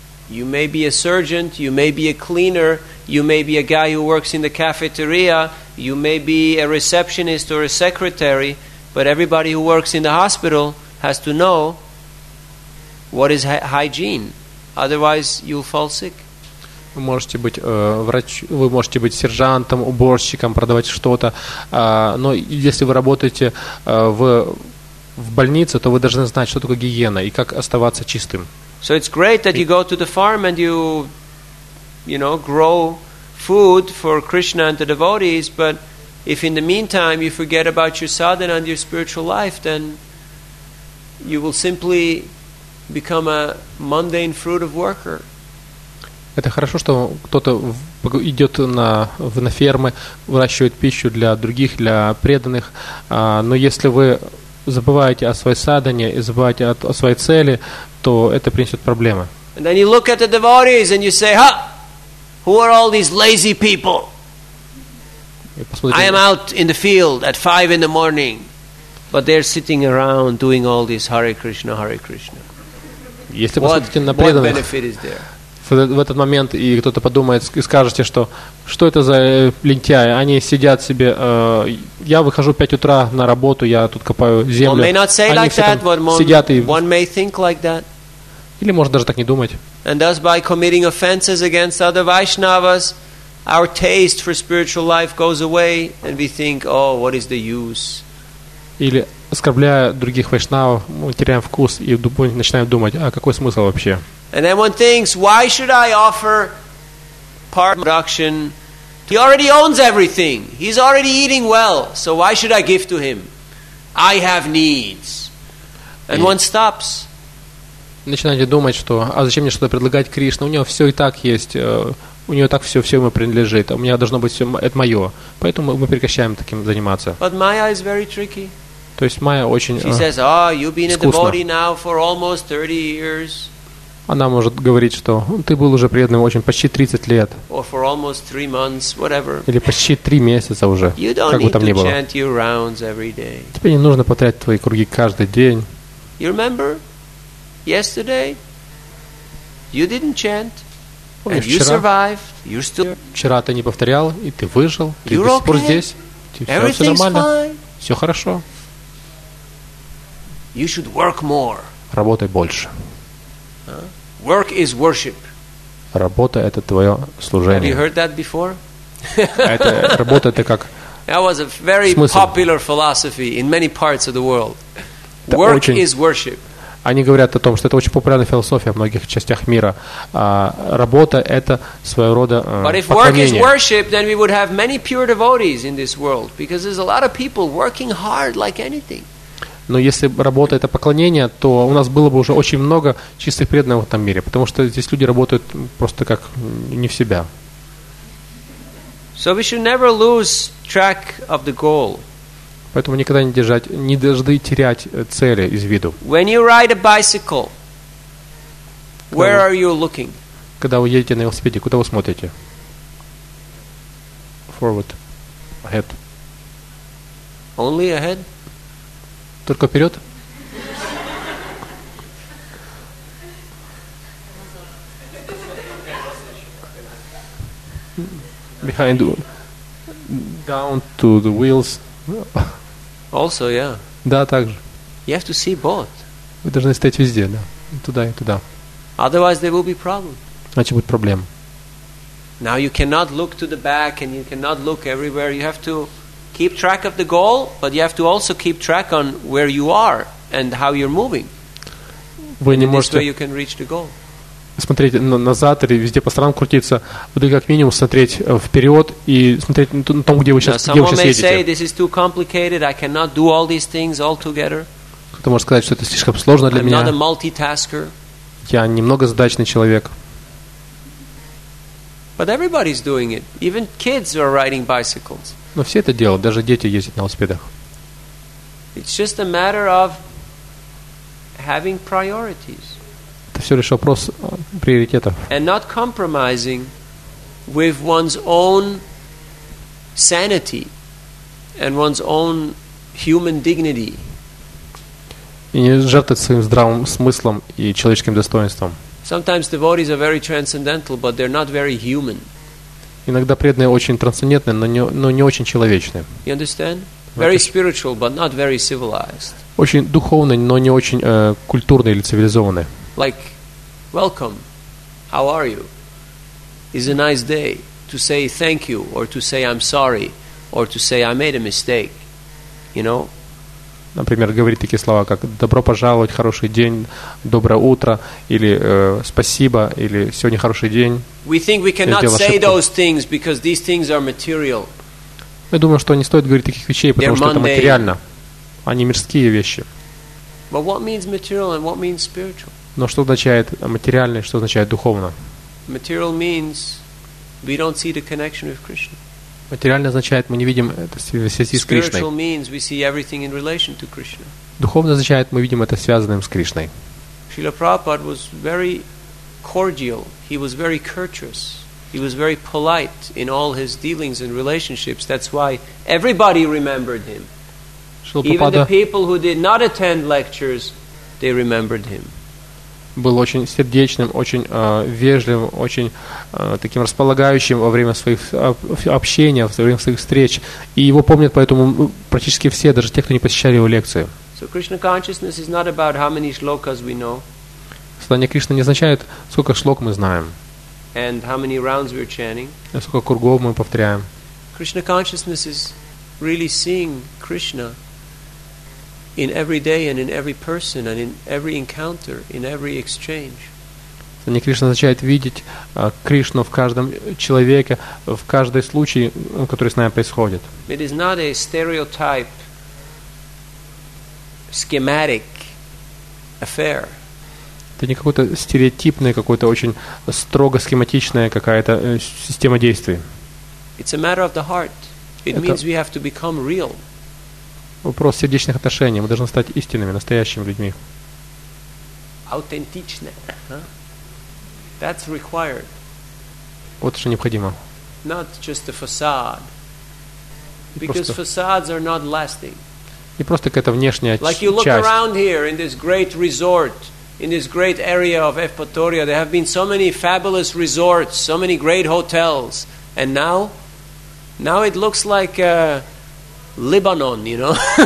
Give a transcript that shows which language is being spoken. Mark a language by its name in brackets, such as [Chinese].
[English] You may be a surgeon, you may be a cleaner, you may be a guy who works in the cafeteria, you may be a receptionist or a secretary, but everybody who works in the hospital has to know what is hygiene. Otherwise, you'll fall sick. [Russian] Вы можете быть вы можете быть сержантом, уборщиком, продавать что-то, но если вы работаете в больнице, то вы должны знать, что такое гигиена и как оставаться чистым. [English] So it's great that you go to the farm and you grow food for Krishna and the devotees, but if in the meantime you forget about your sadhana and your spiritual life, then you will simply become a mundane fruit of worker. [Russian] Это хорошо, что кто-то идет на фермы, выращивает пищу для других, для преданных, но если вы забываете о своей садхане и забываете о своей цели, то это принесет проблемы. [English] And then you look at the devotees and you say, ha! Who are all these lazy people? I am out in the field at 5 in the morning, but they're sitting around doing all this Hare Krishna, Hare Krishna. [Russian] Если посмотрите на преданных, [English] what benefit is there? [Russian] В этот момент и кто-то подумает и скажете, что это за лентяи, они сидят себе, я выхожу в 5 утра на работу, я тут копаю землю, они [English] like [Russian] все [English] that, [Russian] сидят [English] one [Russian] и... [English] May think like that. [Russian] Или может даже так не думать. [English] And thus by committing offenses against other Vaishnavas, our taste for spiritual life goes away and we think, oh, what is the use? [Russian] Или оскорбляя других вайшнавов, мы теряем вкус и начинаем думать, а какой смысл вообще? [English] And then one thinks, why should I offer part production? He already owns everything. He's already eating well. So why should I give to him? I have needs. And one stops. [Russian] Начинаете думать, что а зачем мне что-то предлагать Кришне? У него все и так есть, у него так все ему принадлежит. У меня должно быть все, это мое. Поэтому мы прекращаем таким заниматься. [English] But Maya is very tricky. [Russian] То есть Майя очень искусна. [English] She says, oh, you've been a devotee now for almost 30 years. [Russian] Она может говорить, что ты был уже преданным очень почти 30 лет. [English] Or for almost 3 months, whatever. [Russian] Или почти 3 месяца уже, [English] you don't [Russian] как бы там ни было. [English] Chant your rounds every day. [Russian] Тебе не нужно повторять твои круги каждый день. [English] You remember? Yesterday, you didn't chant, and you survived, you're still here. [Russian] Вчера ты не повторял, и ты выжил, ты до сих пор здесь, все нормально, все хорошо. [English] You should work more. [Russian] Работай больше. [English] Work is worship. [Russian] Работа – это твое служение. [English] Have you heard that before? [Russian] Работа – это как смысл. [English] That was a very popular philosophy in many parts of the world. Work is worship. [Russian] Они говорят о том, что это очень популярная философия в многих частях мира. Работа – это своего рода поклонение. Но если работа – это поклонение, то у нас было бы уже очень много чистых преданных в этом мире, потому что здесь люди работают просто как не в себя. [English] So we should never lose track of the goal. [Russian] Поэтому никогда не держать, не должны терять цели из виду. [English] When you ride a bicycle, where are you looking? [Russian] Когда вы едете на велосипеде, куда вы смотрите? [English] Forward. Ahead. Only ahead? [Russian] Только вперед? [English] Behind. Down to the wheels. Also, yeah. [Russian] Да, также. You have to see both. Вы должны стоять везде, да. Туда и туда. [English] Otherwise there will be problem. [Russian] Иначе будет проблема. [English] Now you cannot look to the back and you cannot look everywhere. You have to keep track of the goal, but you have to also keep track on where you are and how you're moving. [Russian] Вы [English] and [Russian] не можете [English] this way you can reach the goal. [Russian] Смотреть назад или везде по сторонам крутиться, вы как минимум смотреть вперед и смотреть на том, где вы сейчас, [English] now, [Russian] где вы сейчас едете. [English] Say, this is too complicated. I cannot do all these things altogether. [Russian] Кто-то может сказать, что это слишком сложно для [English] I'm [Russian] меня. [English] Not a multitasker. [Russian] Я не многозадачный человек. [English] But everybody's doing it. Even kids are riding bicycles. [Russian] Но все это делают, даже дети ездят на велосипедах. [English] It's just a matter of having priorities. [Russian] Все лишь вопрос приоритетов. [English] And not compromising with one's own sanity and one's own human dignity. [Russian] И не жертвовать своим здравым смыслом и человеческим достоинством. [English] Sometimes devotees are very transcendental, but they're not very human. [Russian] Иногда преданные очень трансцендентны, но не очень человечны. [English] You understand? Very spiritual, but not very civilized. [Russian] Очень духовны, но не очень культурны или цивилизованы. [English] Like welcome. How are you? It's a nice day to say thank you or to say I'm sorry or to say I made a mistake. You know? [Russian] Например, говорить такие слова, как добро пожаловать, хороший день, доброе утро или спасибо или сегодня хороший день. [English] We think we cannot say those things because these things are material. [Russian] Мы думаем, что не стоит говорить таких вещей, потому что это материально. Они мирские вещи. [English] But what means material and what means spiritual? [Russian] Но что означает материальное, что означает духовно? [English] Material means we don't see the connection with Krishna. [Russian] Материально означает, мы не видим это связи с Кришной. [English] Spiritual means we see everything in relation to Krishna. [Russian] Духовно означает, мы видим это связанным с Кришной. [English] Srila Prabhupada was very cordial, he was very courteous, he was very polite in all his dealings and relationships. That's why everybody remembered him. Even the people who did not attend lectures, they remembered him. [Russian] Был очень сердечным, очень вежливым, очень таким располагающим во время своих общения, во время своих встреч. И его помнят поэтому практически все, даже те, кто не посещали его лекции. [English] So Krishna consciousness is not about how many shlokas we know. [Russian] страдание Кришны не означает, сколько шлок мы знаем. [English] And how many rounds we're chanting. [Russian] Сколько кругов мы повторяем. [English] Krishna consciousness is really seeing Krishna in every day and in every person and in every encounter, in every exchange. [Russian] Не Кришна означает видеть Кришну в каждом человеке, в каждом случае, который с нами происходит. [English] It is not a stereotype, schematic affair. [Russian] Это не какой-то стереотипный, какой-то очень строго схематичная какая-то система действий. [English] It's a matter of the heart. It means we have to become real. [Russian] Вопрос сердечных отношений. Мы должны стать истинными, настоящими людьми. Аутентичны. [English] That's required. [Russian] Вот что необходимо. [English] Not just a facade. Because facades are not lasting. [Russian] Не просто какая-то внешняя часть. [English] Like you look around here in this great resort, in this great area of Evpatoria, there have been so many fabulous resorts, so many great hotels, and now it looks like Lebanon, you know.